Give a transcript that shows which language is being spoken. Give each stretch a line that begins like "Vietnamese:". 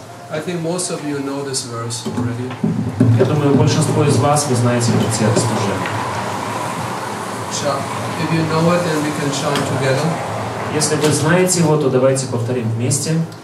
English: I think most of you know this verse already.
Russian: Я думаю, большинство из вас вы знаете этот текст уже.
English: If you know it, then we can chant together.
Russian: Если вы знаете его, то давайте повторим вместе.